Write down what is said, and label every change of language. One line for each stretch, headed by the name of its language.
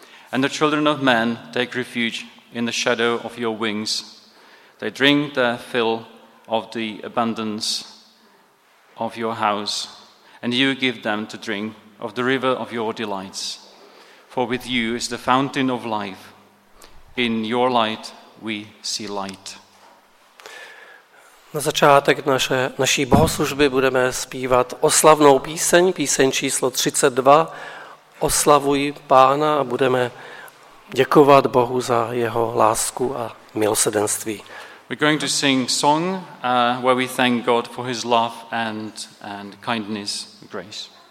English: And the children of man take refuge in the shadow of your wings. They drink their fill of the abundance of your house, and you give them to drink of the river of your delights. For with you is the fountain of life. In your light we see light.
Czech: Na začátek naší bohoslužby budeme zpívat oslavnou píseň, píseň číslo 32. Oslavuj Pána a budeme děkovat Bohu za jeho lásku a milosrdenství.
English: We're going to sing song where we thank God for his love and kindness and grace.